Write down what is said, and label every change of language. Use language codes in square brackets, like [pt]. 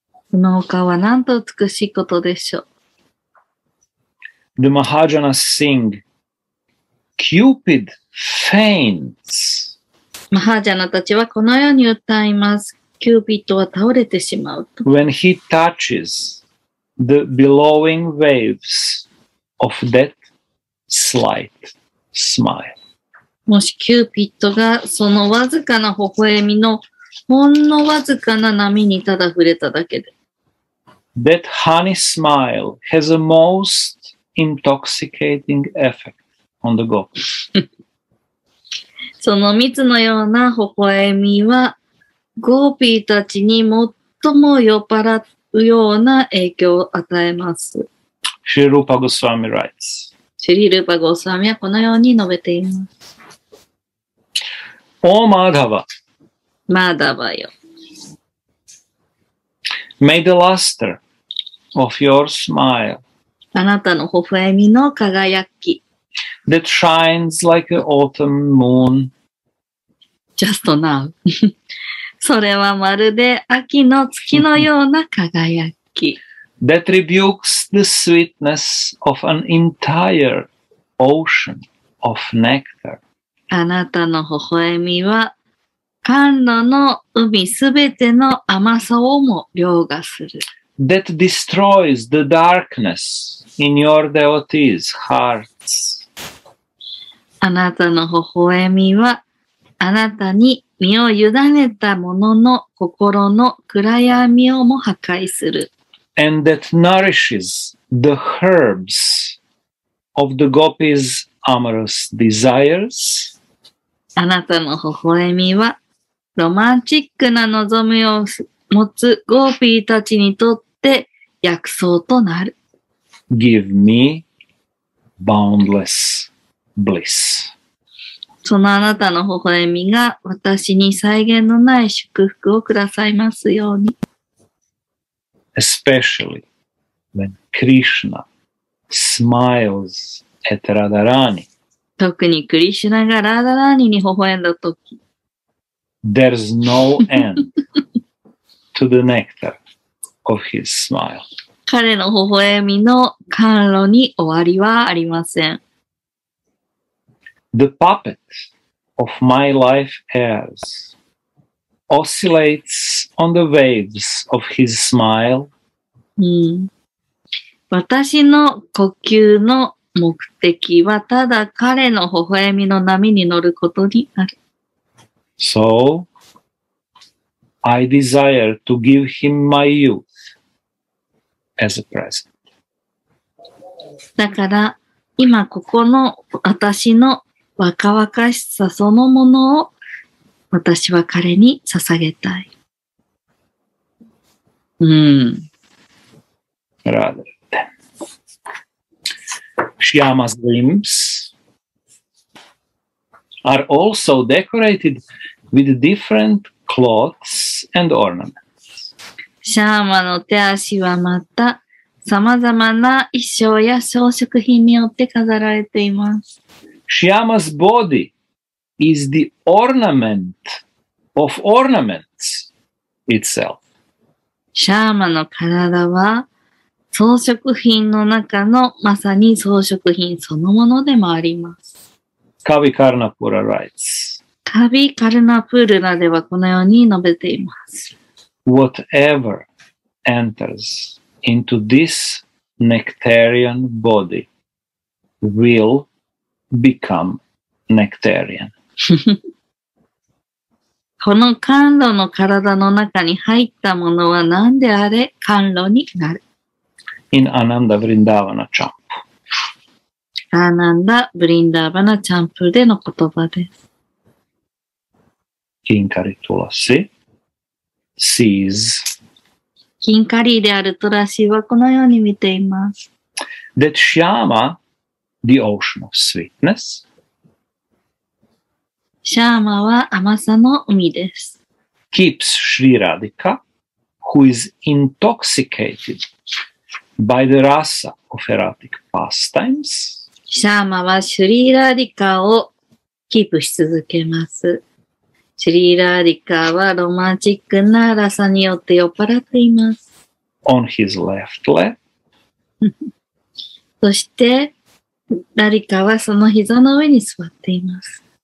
[ja] このお顔はなんと美しいことでしょう。 [en] The Mahajana sing, Cupid faints. [ja] Mahajana たちはこのように歌います。Cupidは倒れてしまうと。 [en] When he touches the billowing waves of that slight smile. [ja] もしキューピッドがそのわずかな微笑みのほんのわずかな波にただ触れただけで。 [en] That honey smile has a most intoxicating effect on the gopis. [ja] その蜜のような微笑みはゴーピーたちに最も酔っ払うような影響を与えます。 [en] シリルパゴスワミ writes. [ja] シリルパゴスワミはこのように述べています。 [en] オーマダバ。 [ja] マダバよ。 [en] May the luster of your smile [ja] あなたの微笑みの輝き [en] that shines like an autumn moon just now [ja] それはまるで秋の月のような輝き [en] that rebukes the sweetness of an entire ocean of nectar [ja] あなたの微笑みは甘露の海すべての甘さをも凌駕する [en] That destroys the darkness in your devotees' hearts. [ja] あなたの微笑みは、あなたに身を委ねた者の心の暗闇をも破壊する。 [en] And that nourishes the herbs of the gopis' amorous desires. [ja] あなたの微笑みは、ロマンチックな望みを持つゴーピーたちにとってで薬草となる。 [en] Give me boundless bliss. [ja] そのあなたの微笑みが私に際限のない祝福をくださいますように。 [en] Especially when Krishna smiles at Radharani. [ja] 特にクリシュナがラダラーニに微笑んだとき。 [en] There's no end to the nectar. Of his smile. [ja] 彼の微笑みの甘露に終わりはありません。 [en] The puppet of my life airs oscillates on the waves of his smile.、 [ja] うん、私の呼吸の目的はただ彼の微笑みの波に乗ることにある。 [en] So, I desire to give him my youth. As a present. [ja] だから今ここの私の若々しさそのものを私は彼に捧げたい。うん。 [en] Rather than Shyama's limbs are also decorated with different cloths and ornaments. [ja] シャーマの手足はまた様々な衣装や装飾品によって飾られています。 [en] シャーマ's body is the ornament of ornaments itself. [ja] シャーマの体は装飾品の中のまさに装飾品そのものでもあります。 [en] カビカルナプラ writes. [ja] カビカルナプールらではこのように述べています。 [en] Whatever enters into this nectarian body will become nectarian. [ja] この甘露の体の中に入ったものは何であれ甘露になる。 [en] In Ananda Vrindavana Champ. [ja] Ananda Vrindavana Champ での言葉です。 [en] Kinkari Tulasi. Sees. [ja] キンカリーであるトラシーはこのように見ています。 [en] That Shyama, the ocean of sweetness, [ja] シャーマは甘さの海です。 [en] Keeps Shri Radhika, who is intoxicated by the rasa of erotic pastimes. [ja] シャーマはシュリーラディカをキープし続けます。シュリーラディカはロマンチックなラサによって酔っ払っています。 [en] On his left leg. [ja] そして、ラディカはその膝の上に座っています。